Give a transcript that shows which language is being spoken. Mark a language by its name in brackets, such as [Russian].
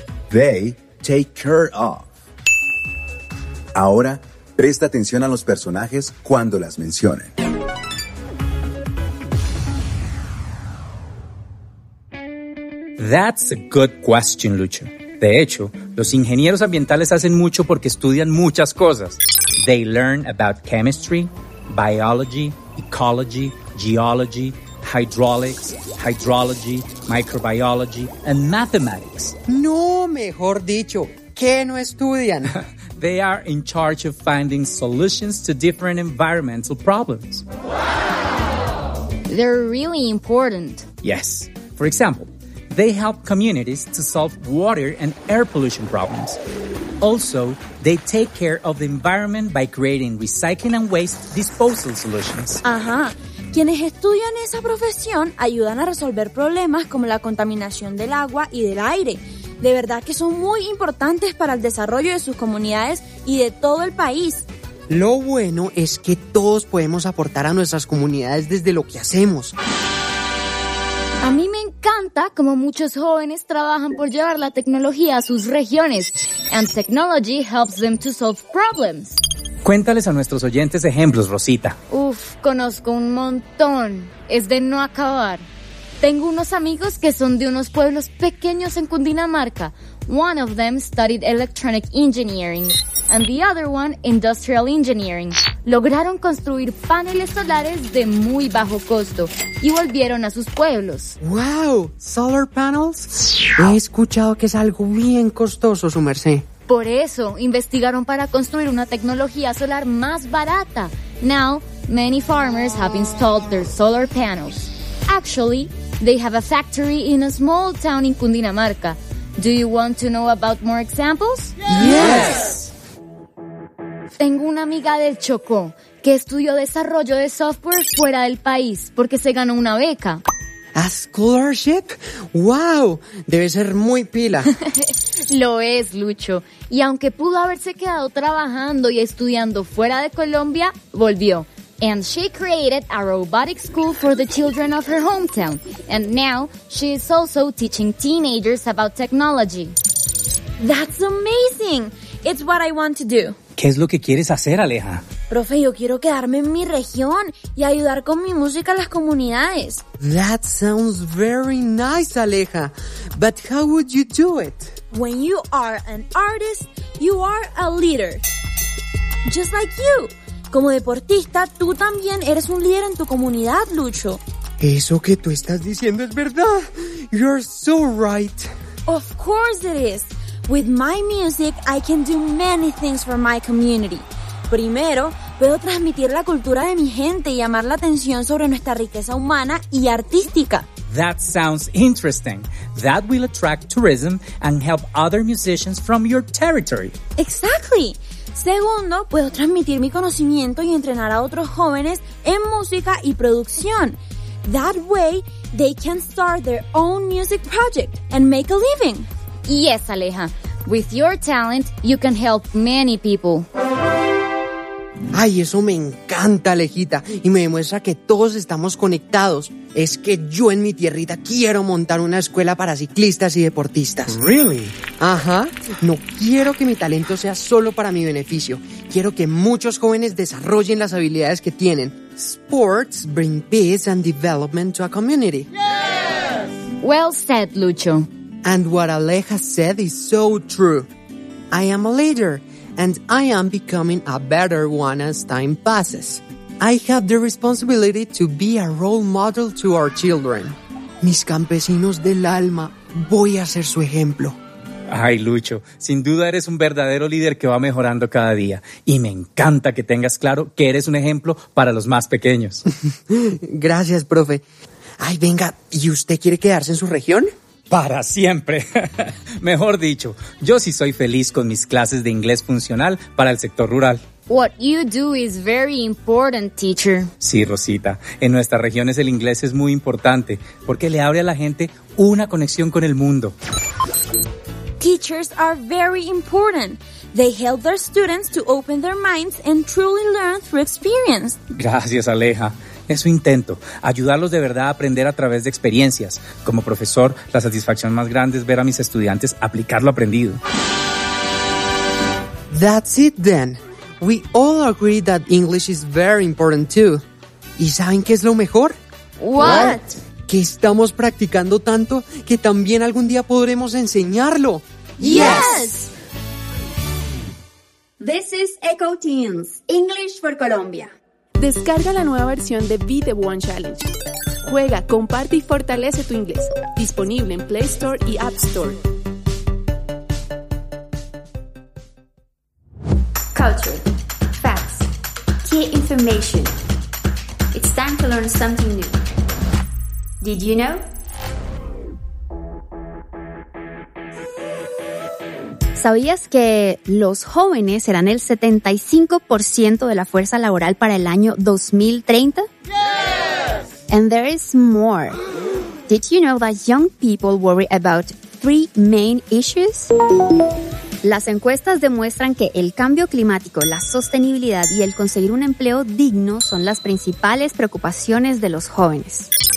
[English] They take care of. [Spanish] Ahora, presta atención a los personajes cuando las mencionen. [English] That's a good question, Lucho. [Spanish] De hecho, los ingenieros ambientales hacen mucho porque estudian muchas cosas. [English] They learn about chemistry, biology, ecology, geology, hydraulics, hydrology, microbiology, and mathematics. [Spanish] No, mejor dicho, ¿qué no estudian? [English] They are in charge of finding solutions to different environmental problems. Wow! They're really important. Yes. For example, they help communities to solve water and air pollution problems. Also, they take care of the environment by creating recycling and waste disposal solutions. Ajá. [Spanish] Quienes estudian esa profesión ayudan a resolver problemas como la contaminación del agua y del aire. De verdad que son muy importantes para el desarrollo de sus comunidades y de todo el país. Lo bueno es que todos podemos aportar a nuestras comunidades desde lo que hacemos. A mí me encanta cómo muchos jóvenes trabajan por llevar la tecnología a sus regiones. [English] And technology helps them to solve problems. [Spanish] Cuéntales a nuestros oyentes ejemplos, Rosita. Uf, conozco un montón. Es de no acabar. Tengo unos amigos que son de unos pueblos pequeños en Cundinamarca. [English] One of them studied electronic engineering and the other one industrial engineering. [Spanish] Lograron construir paneles solares de muy bajo costo y volvieron a sus pueblos. [English] ¡Wow! ¿Solar panels? [Spanish] He escuchado que es algo bien costoso, su merced. Por eso, investigaron para construir una tecnología solar más barata. [English] Now, many farmers have installed their solar panels. Actually, they have a factory in a small town in Cundinamarca. Do you want to know about more examples? Yes! [Spanish] Tengo una amiga del Chocó que estudió desarrollo de software fuera del país porque se ganó una beca. [English] ¿A scholarship? [Spanish] ¡Wow! Debe ser muy pila. Lo es, Lucho. Y aunque pudo haberse quedado trabajando y estudiando fuera de Colombia, volvió. [English] And she created a robotic school for the children of her hometown. And now, she is also teaching teenagers about technology. That's amazing! It's what I want to do. [Spanish] ¿Qué es lo que quieres hacer, Aleja? Profe, yo quiero quedarme en mi región y ayudar con mi música a las comunidades. [English] That sounds very nice, Aleja. But how would you do it? When you are an artist, you are a leader. Just like you. [Spanish] Como deportista, tú también eres un líder en tu comunidad, Lucho. Eso que tú estás diciendo es verdad. [English] You're so right. Of course it is. With my music, I can do many things for my community. [Spanish] Primero, puedo transmitir la cultura de mi gente y llamar la atención sobre nuestra riqueza humana y artística. [English] That sounds interesting. That will attract tourism and help other musicians from your territory. Exactly. [Spanish] Segundo, puedo transmitir mi conocimiento y entrenar a otros jóvenes en música y producción. [English] That way, they can start their own music project and make a living. Yes, Aleja. With your talent, you can help many people. [Spanish] ¡Ay, eso me encanta, Alejita! Y me demuestra que todos estamos conectados. Es que yo en mi tierrita quiero montar una escuela para ciclistas y deportistas. [English] ¿Really? Ajá. [Spanish] No quiero que mi talento sea solo para mi beneficio. Quiero que muchos jóvenes desarrollen las habilidades que tienen. [English] Sports bring peace and development to a community. ¡Yes! Well said, Lucho. And what Aleja said is so true. I am a leader. And I am becoming a better one as time passes. I have the responsibility to be a role model to our children. [Spanish] Mis campesinos del alma, voy a ser su ejemplo. Ay, Lucho, sin duda eres un verdadero líder que va mejorando cada día. Y me encanta que tengas claro que eres un ejemplo para los más pequeños. Gracias, profe. Ay, venga, ¿y usted quiere quedarse en su región? Para siempre. Mejor dicho, yo sí soy feliz con mis clases de inglés funcional para el sector rural. [English] What you do is very important, teacher. [Spanish] Sí, Rosita. En nuestras regiones el inglés es muy importante porque le abre a la gente una conexión con el mundo. [English] Teachers are very important. They help their students to open their minds and truly learn through experience. [Spanish] Gracias, Aleja. Eso intento, ayudarlos de verdad a aprender a través de experiencias. Como profesor, la satisfacción más grande es ver a mis estudiantes aplicar lo aprendido. [English] That's it then. We all agree that English is very important too. [Spanish] ¿Y saben qué es lo mejor? [English] What? [Spanish] Que estamos practicando tanto que también algún día podremos enseñarlo. [English] Yes! This is Echo Teens, English for Colombia. [Spanish] Descarga la nueva versión de Be The One Challenge. Juega, comparte y fortalece tu inglés. Disponible en Play Store y App Store. [English] Culture. Facts. Key information. It's time to learn something new. Did you know? [Spanish] ¿Sabías que los jóvenes serán el 75% de la fuerza laboral para el año 2030? [English] ¡Yes! And there is more. Did you know that young people worry about three main issues? [Spanish] Las encuestas demuestran que el cambio climático, la sostenibilidad y el conseguir un empleo digno son las principales preocupaciones de los jóvenes.